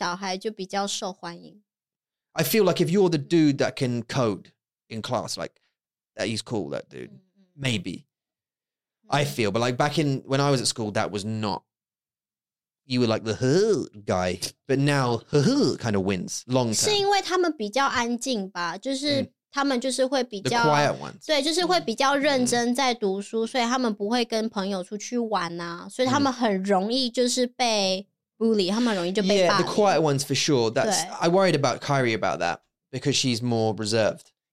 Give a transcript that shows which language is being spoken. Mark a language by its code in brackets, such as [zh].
[zh] 聪明的小孩就比较受欢迎。I [en] feel like if you're the dude that can code in class, like, that he's cool, that dude. Maybe. I feel. But, like, back in when I was at school, that was not. You were, like, the guy. But now, kind of wins long term. [zh] 是因为他们比较安静吧，就是他们就是会比较 [en] The quiet ones. [zh] 对，就是会比较认真在读书，所以他们不会跟朋友出去玩啊，所以他们很容易就是被 [en] Yeah, the quiet ones for sure. That's I worried about Kyrie about that because she's more reserved.